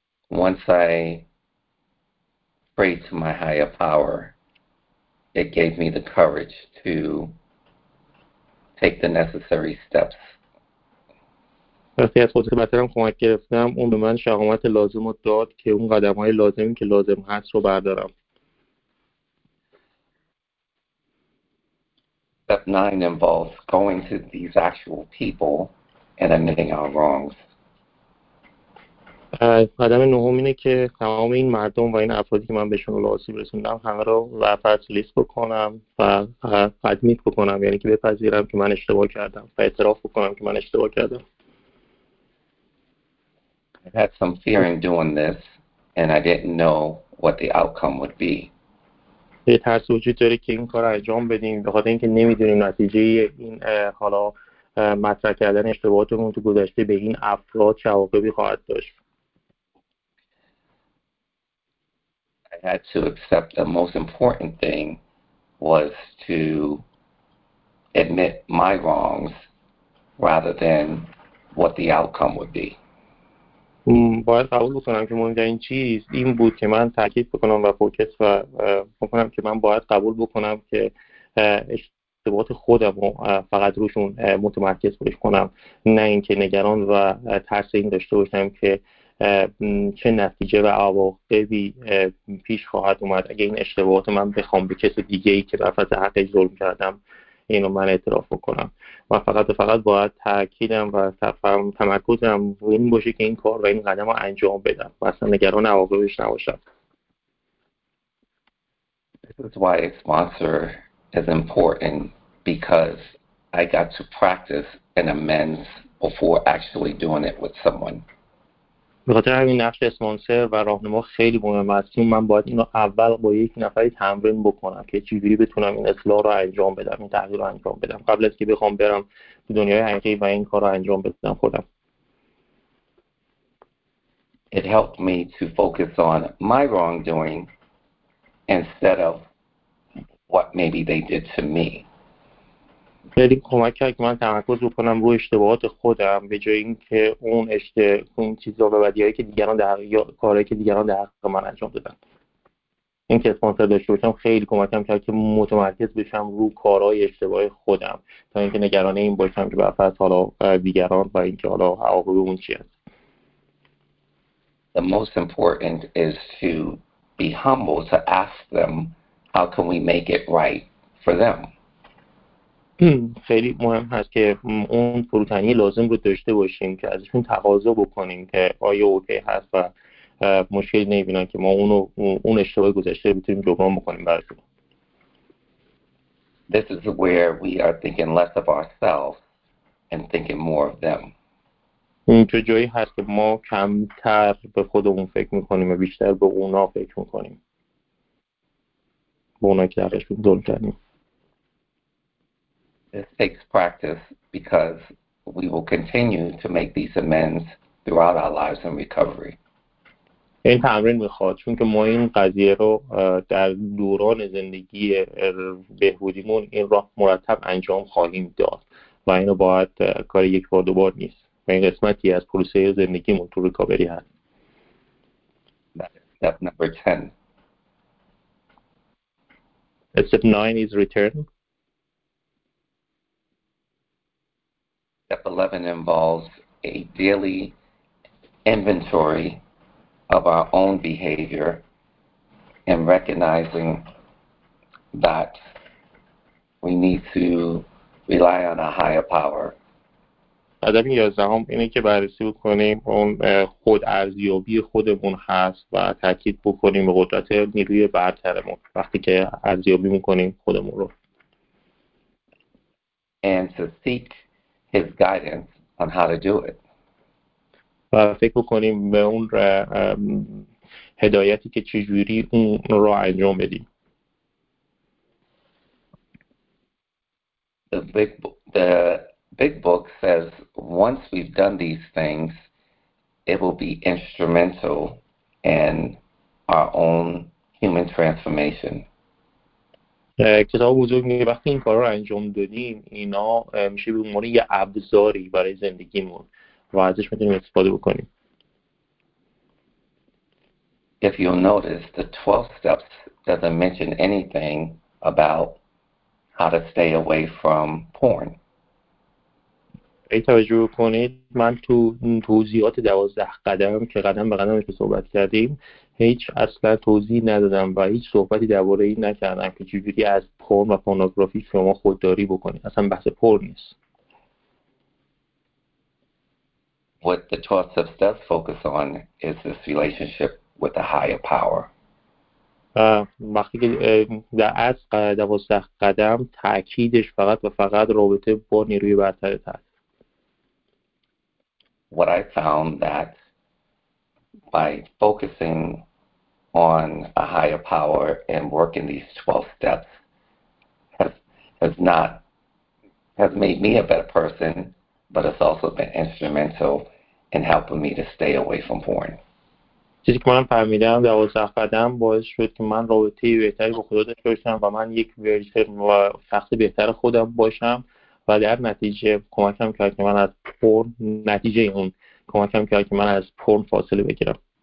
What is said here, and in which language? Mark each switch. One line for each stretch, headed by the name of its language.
English: Once I prayed to my higher power, it gave me the courage to take the necessary steps.
Persian: وقتی از خودت بهترم کمک گرفتم، اون به من شجاعت لازم رو داد که اون قدم‌های لازمی که لازم هست رو بردارم.
English: Step 9 involves going to these actual people and admitting our wrongs.
Persian: قدم نهم اینه که تمام این مردم و این افرادی که من بهشون آسیب رسوندم همه رو رفت لیست بکنم و ادمیت بکنم، یعنی که بپذیرم که من اشتباه کردم و اعتراف بکنم که من اشتباه کردم.
English: I had some fear in doing this and I didn't know what the outcome would be.
Persian: یه ترس وجود داره که این کار انجام بدیم به خاطر اینکه نمیدونیم نتیجه این حالا مطرح کردن اشتباهاتمون تو گذشته به این افراد چه عواقبی خواهد داشت.
English: I had to accept the most important thing was to admit my wrongs rather than what the outcome would be.
Persian: باید قبول بکنم که مهمترین چیز این بود که من تاکید بکنم و فوکس و بکنم که من باید قبول بکنم که اشتباهات خودم رو فقط روشون متمرکز بشم کنم، نه اینکه نگران و ترس این داشته باشم که چه نتیجه و عواقبی پیش خواهد اومد اگه این اشتباهات من بخوام به کس دیگه ای که رفت حقی ظلم کردم اینو من اعتراف بکنم. و فقط باید تاکیدم و تمرکزم و این باشه که این کار و این قدم رو انجام بدم و اصلا نگران عواقبش نباشم.
English: This is why a sponsor is important, because I got to practice an amends before actually doing it with someone.
Persian: به خاطر همین نقش اسپانسر و راهنما خیلی مهم است. من باید اینو اول با یک نفری تمرین بکنم که چجوری بتونم این اصلاح رو انجام بدم، این تغییر رو انجام بدم قبل از که بخوام برم به دنیای حقیقی و این کار رو انجام بدم خودم.
English: It helped me to focus on my wrongdoing instead of what maybe they did to me.
Persian: خیلی کمک کرد که من تمرکز بکنم روی اشتباهات خودم به جای اینکه اون چیزا و بدیهایی که دیگران در یا کارهایی که دیگران در حق من انجام دادن. این که اسپانسر داشته باشم خیلی کمکم کرد که متمرکز بشم رو کارهای اشتباه خودم تا اینکه نگران این باشم که بعد حالا دیگران و اینکه حالا عواقب اون چی هست.
English: The most important is to be humble, to ask them how can we make it right for them.
Persian: خیلی مهم هست که اون فروتنی لازم رو داشته باشیم که ازشون تقاضا بکنیم که آیا اوکی هست و مشکل نمیبینن که ما اونو اون اشتباه گذشته بتونیم جبران بکنیم براشون.
English: This is where we are thinking less of ourselves and thinking more of them.
Persian: اینکه جایی هست که ما کمتر به خودمون فکر میکنیم و بیشتر به اونا فکر میکنیم. به اونا که درش بودون کردیم.
English: This takes practice because we will continue to make these amends throughout our lives in recovery.
Persian: این تمرین میخواد چون که ما این قضیه رو در دوران زندگی بهبودیمون این راه مرتب انجام خواهیم داد و اینو باید کار یک بار دوبار نیست و این قسمتی از پروسه زندگیمون تو ریکاوری هست.
English: Step number 10. Step 9 is return. Step 11 involves a daily inventory of our own behavior and recognizing that we need to rely on a higher power.
Persian: هدف 11 اینه که بررسی بکنیم اون خود ارزیابی خودمون هست و تاکید بکنیم به قدرت نیروی برترمون وقتی که ارزیابی میکنیم خودمون رو.
English: And to seek His guidance on how to do it.
Persian: و فکر بکنیم به اون هدایتی که چجوری اون رو انجام بدیم.
English: The big book says once we've done these things, it will be instrumental in our own human transformation.
Persian: کتاب بزرگ میگه وقتی این کار رو انجام دادیم اینا میشه به عنوان یه ابزاری برای زندگیمون و ازش میتونیم استفاده بکنیم.
English: If you'll notice, the 12 steps doesn't mention anything about how to stay away from porn.
Persian: اگه توجه کنید من تو توضیحات 12 قدم که قدم به قدمش صحبت کردیم هیچ اصلا توضیح ندادم و هیچ صحبتی درباره این نکردم که چجوری از پورن و پورنوگرافی شما خودداری بکنید. اصلا بحث پورن نیست.
English: What the 12 steps does focus on is this relationship with the higher power.
Persian: وقتی که در از 12 قدم تأکیدش فقط و فقط رابطه با نیروی برتر هست.
English: What I found that by focusing on a higher power and working these 12 steps has made me a better person, but it's also been instrumental in helping me to stay away from porn.
Persian: چیزی که من فهمیدم در اوزخ قدم باعث شد که من رابطه بهتری با خدا داشته باشم و من یک ورژن و شخص بهتر خودم باشم و در نتیجه کمکم کرد که من از پورن نتیجه اون کمکم کرد که من از پورن فاصله بگیرم.